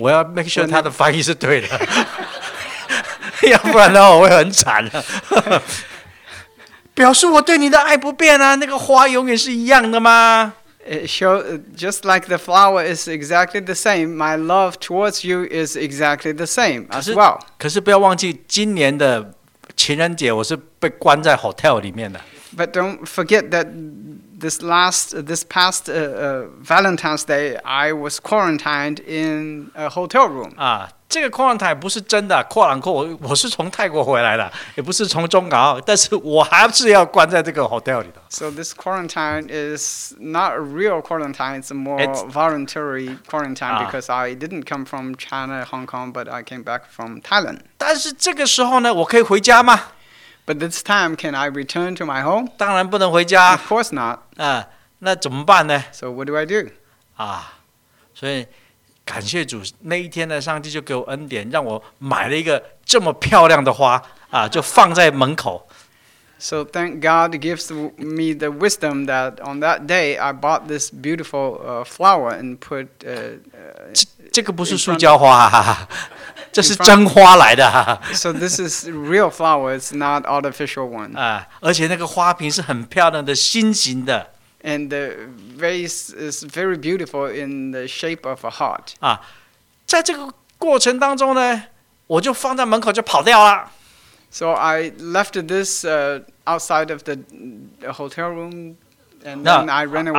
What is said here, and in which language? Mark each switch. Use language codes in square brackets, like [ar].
[zh] 我要 [en] make sure [zh] 他的翻译是对的，要不然的话我会很惨的。表示我对你的爱不变啊，那个花永远是一样的吗？ [en] Just like the flower is exactly the same, my love towards you is exactly the same as well. [zh] 可是不要忘记，今年的情人节我是被关在 hotel 里面的。 [en] But don't forget that this past Valentine's Day, I was quarantined in a hotel room. [zh] 啊，这个 quarantine 不是真的，跨栏扣，我是从泰国回来的，也不是从中港澳，但是我还是要关在这个 hotel 里头。 [en] So this quarantine is not a real quarantine, it's a more voluntary quarantine because I didn't come from China, Hong Kong, but I came back from Thailand. [zh] 但是这个时候呢，我可以回家吗？ [en] But this time, can I return to my home? [zh] 当然不能回家。 [en] Of course not. [zh] 那怎么办呢？ [en] So what do I do? [zh] 啊，所以感谢主，那一天呢，上帝就给我恩典，让我买了一个这么漂亮的花啊，就放在门口。 [en] So thank God gives me the wisdom that on that day I bought this beautiful flower and put. [zh] 这个不是塑胶花、啊。这是真花来的、啊、 [en] So this is real flower, it's not artificial one. [zh] 而且那个花瓶是很漂亮的心形的。 [en] And the vase is very beautiful in the shape of a heart. [zh] 在这个过程当中呢，我就放在门口就跑掉了。 [en] So I left this outside of the hotel room and then I ran away.